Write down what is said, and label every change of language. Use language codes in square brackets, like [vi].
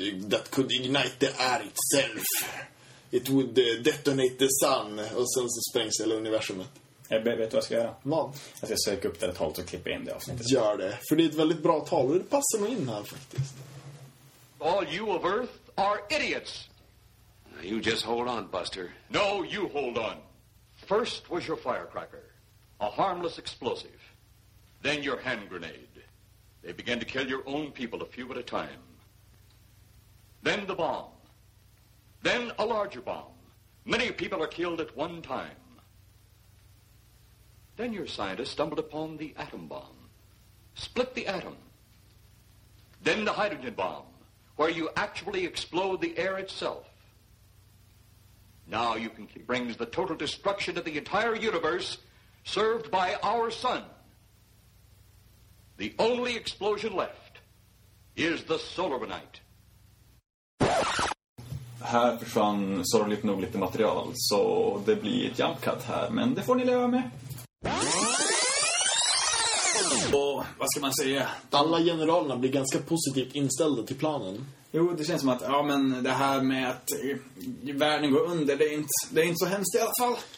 [en] that could ignite the air itself. It would detonate the sun. [sv] Och sen så sprängs hela universumet. Jag vet vad jag ska göra? Vad? Jag ska söka upp det talet och klippa in det avsnittet. Gör det. För det är ett väldigt bra tal. Och det passar nog in här faktiskt. [en] All you of Earth are idiots. Now you just hold on, Buster. No, you hold on. First was your firecracker. A harmless explosive. Then your hand grenade. They began to kill your own people a few at a time. Then the bomb. Then a larger bomb. Many people are killed at one time. Then your scientists stumbled upon the atom bomb. Split the atom. Then the hydrogen bomb, where you actually explode the air itself. Now you can bring the total destruction of the entire universe served by our sun. The only explosion left is the solar night. [sv] Här försvann sorgligt nog lite material, så det blir ett jump cut här, men det får ni leva med. Och vad ska man säga? Alla generalerna blir ganska positivt inställda till planen. Jo, det känns som att ja, men det här med att världen går under, det är inte så hemskt i alla fall.